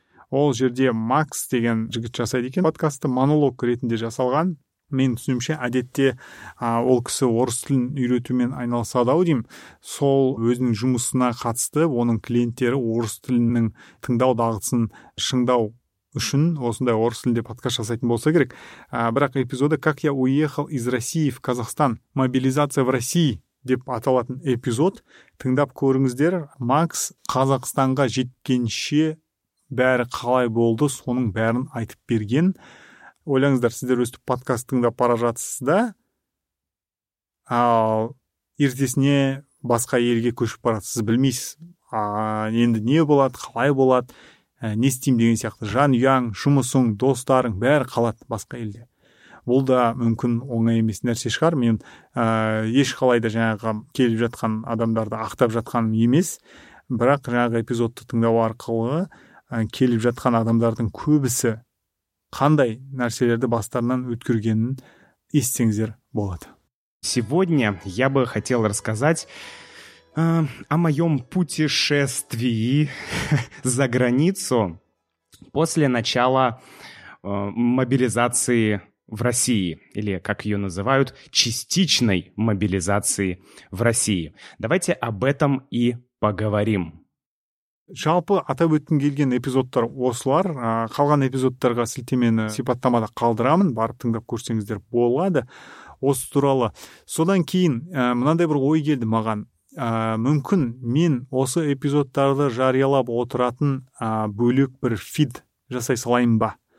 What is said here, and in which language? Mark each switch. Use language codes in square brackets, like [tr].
[kk] Ол жерде Макс деген жігіт жасайды екен. Подкасты монолог ретінде жасалған. Мен түсінімше әдетте ол кісі орыс тілін үйретумен айналысады ау деймін. Сол өзінің жұмысына қатысты оның клиенттері орыс тілінің тыңдау дағдысын шыңдау үшін осындай орыс тілінде подкаст жасайтын болса керек. Бірақ эпизоды [ru] «Как я уехал из России в Казахстан. Мобилизация в России» [kk] деп аталатын эпизод. Тыңдап көріңіздер, Макс Қазақстанға жеткенше бәрі қалай болды, соның бәрін айтып берген. Ойлаңыздар, сіздер өстіп подкаст тыңдап пара жатсыз да, ал ертесіне басқа елге көшіп баратсыз, білмейсіз. Енді не болады, қалай болады, не істейм деген сияқты, жан ұяң, жұмысың, достарың бәрі қалады басқа елде. Бұл да мүмкін оңай емес нәрсе шығар. Мен ешқалайда жаңағы келіп жатқан адамдарды ақтап жатқаным емес, бірақ жаңағы эпизодты тыңдау арқылы келіп жатқан адамдардың көбісі қандай нәрселерді бастарынан өткергенін естеңіздер болады. [ru] Сегодня я бы хотел рассказать о моем путешествии за границу после начала мобилизации в России, или, как ее называют, частичной мобилизации в России. Давайте об этом и поговорим. [kk] Жалпы атап өткен келген эпизодтар осылар, қалған эпизодтарға сілтемені сипаттамада қалдырамын, барып тыңдап көрсеңіздер болады осы туралы. Содан кейін мынандай бір ой келді маған. Мүмкін мен осы эпизодтарды жариялап отыратын бөлек бір фид жасай салайын ба?